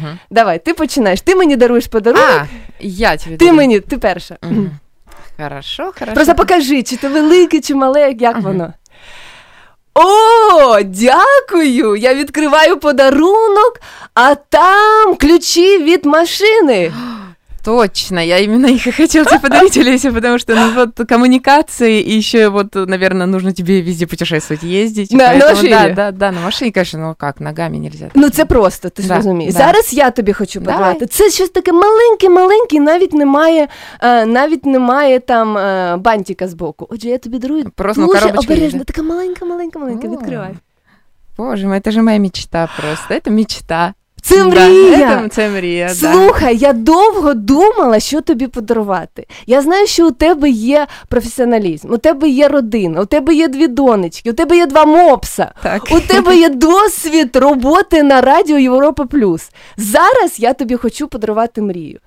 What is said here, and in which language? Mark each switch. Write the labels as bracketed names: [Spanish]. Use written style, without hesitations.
[Ukrainian] Давай, ти починаєш, ти мені даруєш подарунок. А, я тобі дарую. Ти мені, ти перша. [Russian] Хорошо, хорошо. [Ukrainian] Просто покажи, чи ти велике, чи мале, як воно. О, дякую, я відкриваю подарунок, а там ключі від машини. [Russian] Точно, я именно их и хотел тебе подарить, Олеся, потому что, ну, вот, коммуникации, и еще, вот, наверное, нужно тебе везде путешествовать, ездить. На машине? Да, да, да, на машине, конечно, ну как, ногами нельзя. Ну, это просто, ты же разумеешь. Зараз я тебе хочу подарить. Это что-то такое маленькое, [Ukrainian] навіть немає [Russian] там бантика сбоку. [Ukrainian] Отже, я тебе дарую. [Russian] Просто, ну, коробочка. Обережно, такая маленькая, открывай. Боже мой, это же моя мечта просто, это мечта. [Ukrainian] Це мрія. Да, це мрія. Слухай, да. Я довго думала, що тобі подарувати. Я знаю, що у тебе є професіоналізм, у тебе є родина, у тебе є дві донечки, у тебе є два мопса, так. У тебе є досвід роботи на Радіо Європа Плюс. Зараз я тобі хочу подарувати мрію.